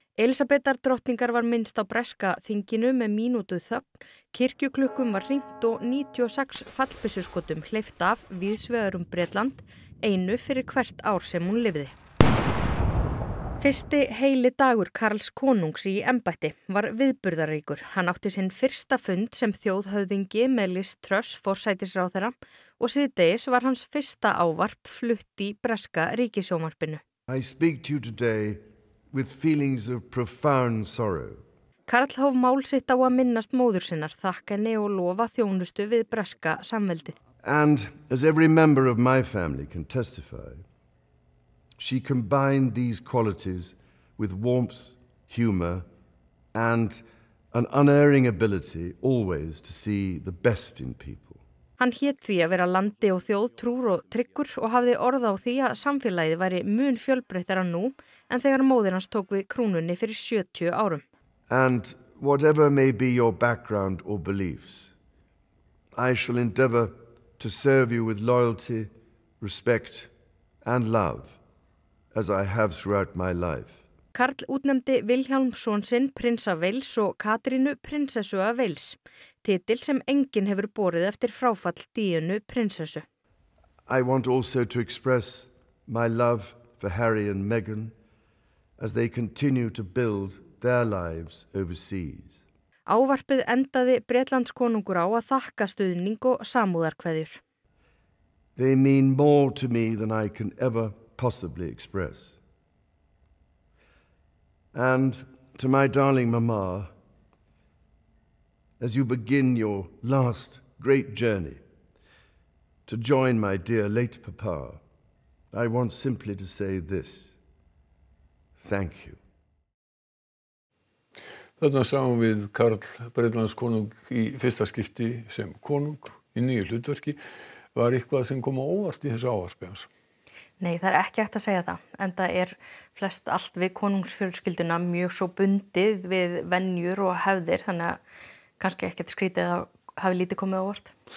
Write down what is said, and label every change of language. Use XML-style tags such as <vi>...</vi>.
<is>Elísabetar drottningar var minnst á breska þinginu með mínútu þögn, kirkjuklukkum var hringt og 96 fallbyssuskotum hleyft af víðsvegar Bretland, einu fyrir hvert ár sem hún lifði. Fyrsti heili dagur Karls konungs í embætti var viðburðaríkur. Hann átti sinn fyrsta fund sem þjóðhöfðingi með Liz Truss forsætisráðherra og síðdegis var hans fyrsta ávarp flutt í breska ríkissjónvarpinu.</is> <en>I speak to you today with feelings of profound sorrow.</en> <is>Karl hóf mál sitt á að minnast móður sinnar, þakka henni og lofa þjónustu við breska samveldið.</is> <en>And as every member of my family can testify, she combined these qualities with warmth, humor, and an unerring ability always to see the best in people.</en> <is>Hann hét því að vera landi og þjóð trúr og tryggur og hafði orð á því að samfélagið væri mun fjölbreyttara nú en þegar móðir hans tók við krúnunni fyrir 70 árum.</is> <en>And whatever may be your background or beliefs, I shall endeavor to serve you with loyalty, respect and love. As I have throughout my life.</en> <is>Karl útnefndi Vilhjálmsson sinn prins af Wales og Katrínu prinsessu af Wales, titil sem enginn hefur borið eftir fráfall Díönu prinsessu.</is> <en>I want also to express my love for Harry and Meghan as they continue to build their lives overseas.</en> <is>Ávarpið endaði Bretlandskonungur á að þakka stuðning og samúðarkveðjur.</is> <en>They mean more to me than I can ever possibly express. And to my darling mamma, as you begin your last great journey to join my dear late papa, I want simply to say this. Thank you.</en> <is>Þarna sáum við Karl Bretlandskonung í fyrsta skipti sem konung í nýju hlutverki. Var eitthvað sem kom á óvart í þessu ávarpi hans? Nei, það ekki hægt að segja það, enda flest allt við konungsfjölskylduna mjög svo bundið við venjur og hefðir, þannig að kannski ekkert skrítið að hafi lítið komið á vort.</is>